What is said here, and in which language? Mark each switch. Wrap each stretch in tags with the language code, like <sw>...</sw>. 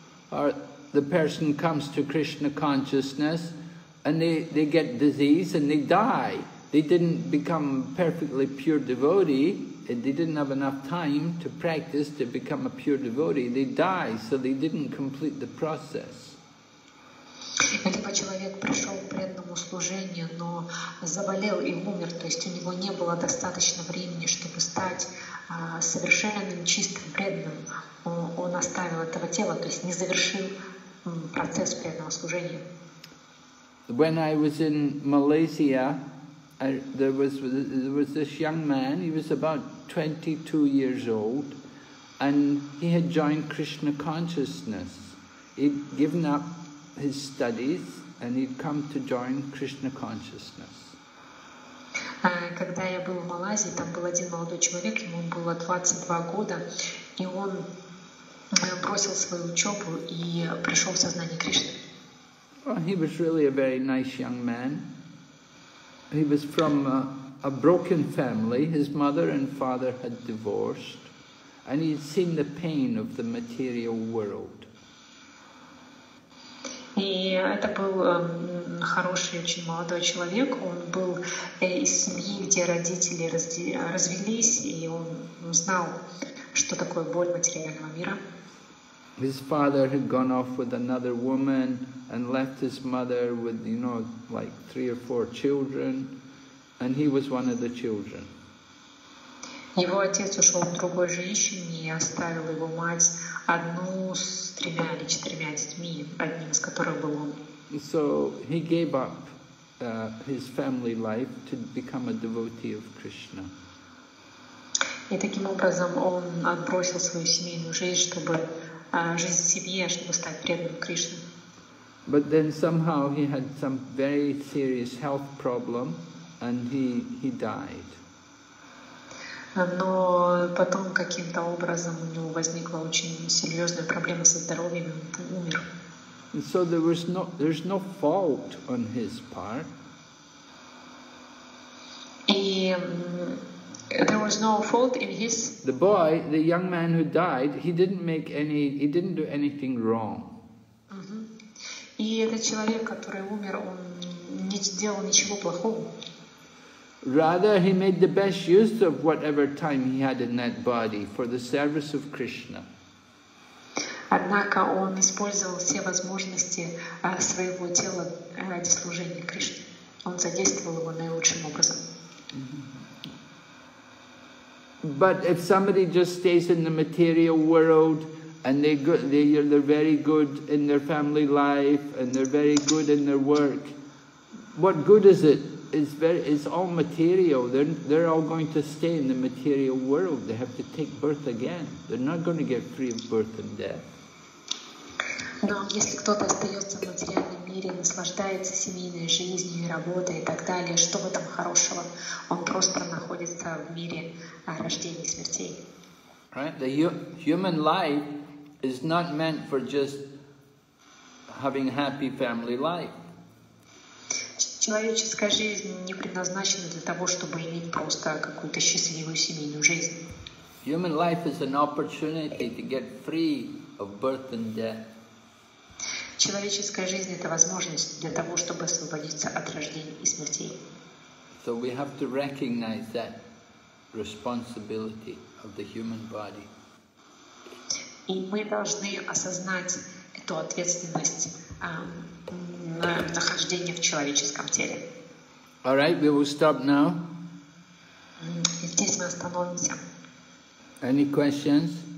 <en>Or the person comes to Krishna consciousness and they get disease and they die. They didn't become perfectly pure devotee, and they didn't have enough time to practice to become a pure devotee. They die, so they didn't complete the process.</en> <ru>Либо человек пришел к преданному служению, но заболел и умер, то есть у него не было достаточно времени, чтобы стать совершенным, чистым, преданным. Он оставил этого тела, то есть не завершил процесс преданного служения.</ru> <en>When I was in Malaysia, there was this young man, he was about 22 years old, and he had joined Krishna consciousness. He'd given up his studies, and he'd come to join Krishna consciousness.</en> <ru>Когда я был в Малайзии, там был один молодой человек, ему было 22 года, и он бросил свою учебу и пришел в сознание Кришны.</ru> <en>Well, he was really a very nice young man. He was from a broken family. His mother and father had divorced, and he'd seen the pain of the material world.</en> <ru>И это был хороший, очень молодой человек. Он был из семьи, где родители развелись, и он знал, что такое боль материального мира.</ru> <en>His father had gone off with another woman and left his mother with, you know, like three or four children, and he was one of the children.</en> <ru>Его отец ушел к другой женщине и оставил его мать одну с тремя или четырьмя детьми, одним из которых был он.</ru> <en>So he gave up his family life to become a devotee of Krishna.</en> <ru>И таким образом он отбросил свою семейную жизнь, чтобы жизнь семьи, чтобы стать преданным Кришне.</ru> <en>But then somehow he had some very serious health problem, and he died.</en> <ru>Но потом каким-то образом у него возникла очень серьезная проблема со здоровьем, и он умер.</ru> <en>And so there's no fault on his part. И there was no fault in his. The boy, the young man who died, he didn't do anything wrong.</en> <ru>И этот человек, который умер, он не сделал ничего плохого.</ru> <en>Rather, he made the best use of whatever time he had in that body for the service of Krishna.</en> <ru>Однако он использовал все возможности своего тела ради служения Кришне. Он задействовал его наилучшим образом.</ru> <en>But if somebody just stays in the material world and they're very good in their family life and they're very good in their work, what good is it is all material. They're all going to stay in the material world. They have to take birth again. They're not going to get free of birth and death.</en> <ru>Но если кто-то остается в материальном мире, наслаждается семейной жизнью и работой и так далее, что в этом хорошего? Он просто находится в мире рождения и смертей.</ru> <en>Right? The human life is not meant for just having a happy family life.</en> <ru>Человеческая жизнь не предназначена для того, чтобы иметь просто какую-то счастливую семейную жизнь.</ru> <en>Human life is an opportunity to get free of birth and death.</en> <ru>Человеческая жизнь — это возможность для того, чтобы освободиться от рождения и смертей.</ru> <en>So we have to recognize that responsibility of the human body.</en> <ru>И мы должны осознать эту ответственность на нахождение в человеческом теле.</ru> <en>All right, we will stop now.</en> <ru>Здесь мы остановимся.</ru> <en>Any questions?</en>